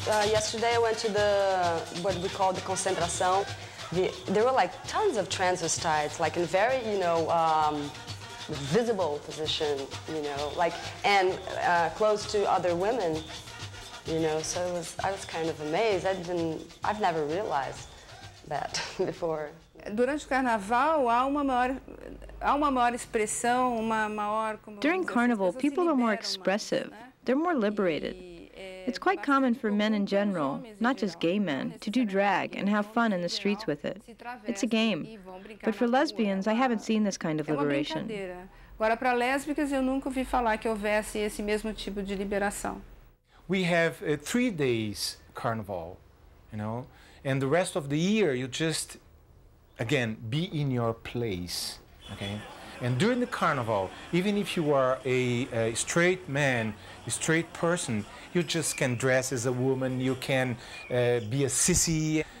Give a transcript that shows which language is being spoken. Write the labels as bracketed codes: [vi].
[en] Yesterday I went to the what we call the concentração. There were like tons of transvestites, like in very, you know, visible position, you know, like, and close to other women, you know, so it was, I was kind of amazed. I've never realized that before. [pt] Durante o carnaval há uma maior expressão, uma maior. [en] During carnival, people are more expressive. They're more liberated. It's quite common for men in general, not just gay men, to do drag and have fun in the streets with it. It's a game. But for lesbians, I haven't seen this kind of liberation. [pt] Agora para lésbicas eu nunca ouvi falar que houvesse esse mesmo tipo de liberação. [en] We have 3 days carnival, you know, and the rest of the year you just again be in your place, okay? And during the carnival, even if you are a straight man, a straight person, you just can dress as a woman, you can be a sissy.